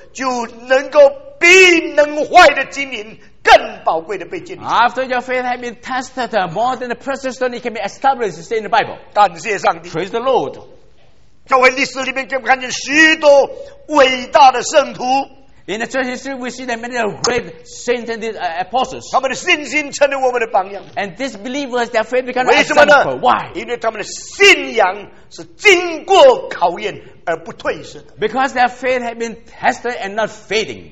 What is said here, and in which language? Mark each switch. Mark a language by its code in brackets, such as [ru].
[zh] 你们的信心经过试验之后就能够比能坏的经营 [en] After your faith has been tested, more than a precious stone, it can be established, say in the Bible. [zh] 感谢上帝. [en] Praise the Lord. [zh] 教会历史里面就看见许多伟大的圣徒. [en] In the church history, we see that many of great saints and apostles. [zh] 他们的信心成为我们的榜样. [en] And these believers, their faith became an example. Why? [zh] 因为他们的信仰是经过考验. [en] Because their faith had been tested and not fading.